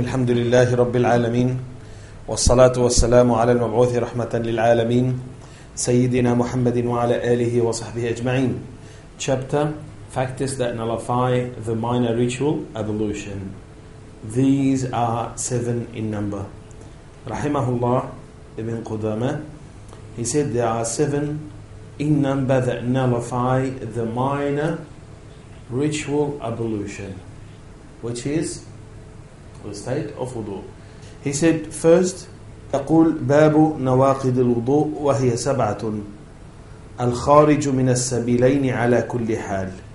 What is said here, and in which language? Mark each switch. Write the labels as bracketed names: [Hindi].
[Arabic] الحمد لله رب العالمين، والصلاة والسلام على المبعوث رحمة للعالمين سيدنا محمد وعلى آله وصحبه أجمعين. [English] Chapter: Factors that nullify the minor ritual ablution. These are seven in number. [Arabic] رحمه الله ابن قدامة. [English] He said there are seven in number that nullify the minor ritual ablution, which is the state of wudu. He said first, [Arabic] يقول باب نواقض الوضوء وهي سبعة الخارج من السبيلين على كل حال.